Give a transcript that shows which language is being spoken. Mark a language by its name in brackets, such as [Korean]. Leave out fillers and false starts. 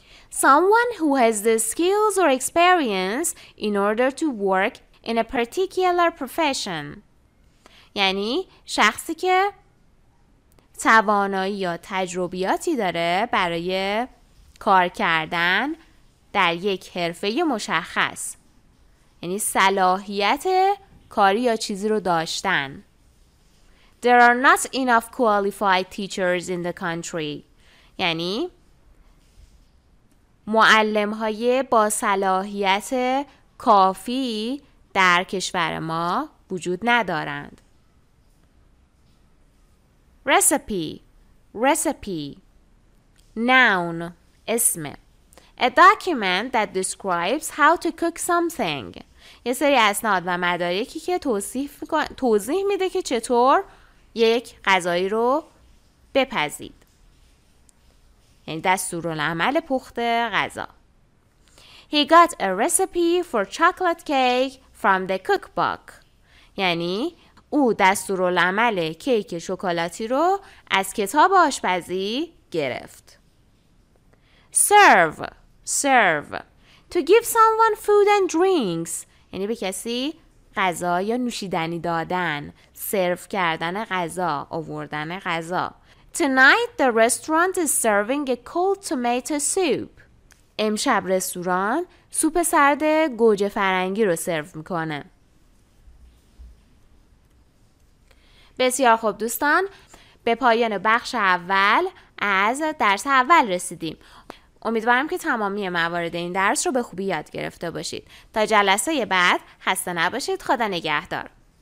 [English] Someone who has the skills or experience in order to work in a particular profession. [Persian] یعنی شخصی که توانایی یا تجربیاتی داره برای کار کردن در یک حرفه مشخص، یعنی صلاحیت کاری یا چیزی رو داشتن. [English] There are not enough qualified teachers in the country. [Persian] یعنی معلم‌های با صلاحیت کافی در کشور ما وجود ندارند. [English] Recipe. Noun. اسم. A document that describes how to cook something. [Persian] یه سری اسناد و مدارکی که توضیح میده که چطور یک غذایی رو بپزید. یعنی دستورالعمل پخت غذا. [English] He got a recipe for chocolate cake from the cookbook. [Persian] یعنی او دستورالعمل کیک شکلاتی رو از کتاب آشپزی گرفت. [English] Serve. To give someone food and drinks. [Persian] یعنی به کسی غذا یا نوشیدنی دادن، سرو کردن غذا، آوردن غذا. [English] Tonight the restaurant is serving a cold tomato soup. [Persian] امشب رستوران سوپ سرد گوجه فرنگی رو سرو میکنه. بسیار خوب دوستان، به پایان بخش اول از درس اول رسیدیم. امیدوارم که تمامی موارد این درس رو به خوبی یاد گرفته باشید. تا جلسه بعد خسته نباشید. خدا نگهدار.